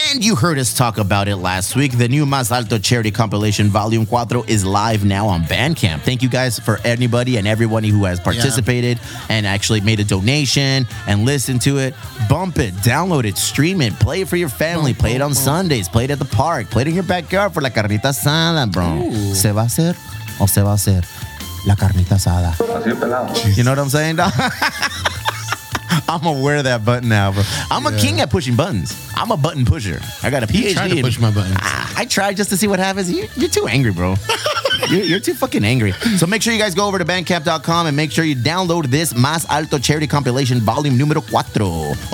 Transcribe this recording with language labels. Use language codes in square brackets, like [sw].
[en] And you heard us talk about it last week. The new Más Alto Charity Compilation Volume 4 is live now on Bandcamp. Thank you guys for anybody and everybody who has participated and actually made a donation and listened to it. Bump it, download it, stream it, play it for your family, play it on Sundays, play it at the park, play it in your backyard for [es] la carnita asada, [en] bro. Ooh. [es] Se va a hacer o se va a hacer la carnita asada. [en] You know what I'm saying, dog? I'm going to wear that button now, bro. I'm a king at pushing buttons. I'm a button pusher. I got a PhD. You tried to push my buttons. I tried just to see what happens. You're too angry, bro. You're too fucking angry. So make sure you guys go over to Bandcamp.com and make sure you download this Más Alto Charity Compilation Volume Número 4.